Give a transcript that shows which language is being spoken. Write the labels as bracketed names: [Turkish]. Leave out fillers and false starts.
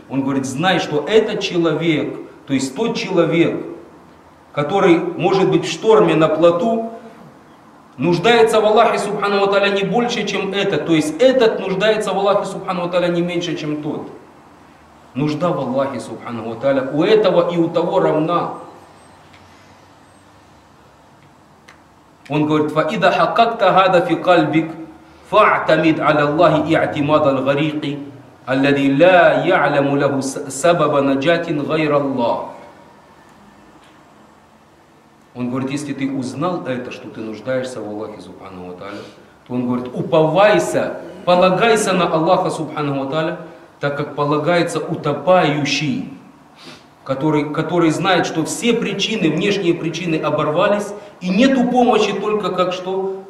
[Russian] Он говорит, знай, что этот человек, то есть тот человек, который может быть в шторме на плоту, нуждается в Аллахе Субхану ва Тааля не больше, чем этот. То есть этот нуждается в Аллахе Субхану ва Тааля не меньше, чем тот. Нужда в Аллахе Субхану ва Тааля у этого и у того равна. Он говорит, [Arabic] «Фаида хакакта гада фи кальбик». فاعتمد على الله اعتماد الغريق الذي لا يعلم له سبب نجاة غير الله. [Russian] Он говорит, если ты узнал это, что ты нуждаешься в Аллахе Субхану ва Тааля, то он говорит, уповайся, полагайся на Аллаха Субхану ва Тааля, так как полагается утопающий, который знает, что все причины, внешние причины оборвались, и нету помощи только как что?